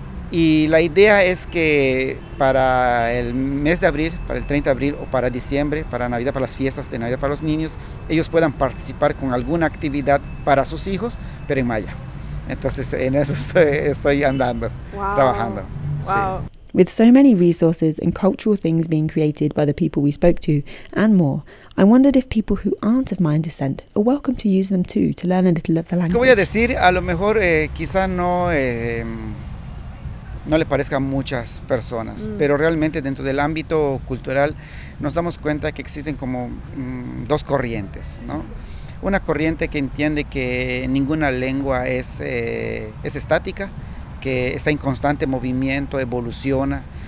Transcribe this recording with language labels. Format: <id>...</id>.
<es>Y la idea es que para el mes de abril, para el 30 de abril o para diciembre, para Navidad, para las fiestas de Navidad para los niños, ellos puedan participar con alguna actividad para sus hijos, pero en maya. Entonces en eso estoy andando, trabajando. Wow. Sí.</es> <en>With so many resources and cultural things being created by the people we spoke to, and more, I wondered if people who aren't of Mayan descent are welcome to use them too to learn a little of the language.</en> <es>¿Qué voy a decir? A lo mejor quizá no le parezca a muchas personas, pero realmente dentro del ámbito cultural nos damos cuenta que existen como dos corrientes, ¿no? Una corriente que entiende que ninguna lengua es estática, que está en constante movimiento, evoluciona.</es>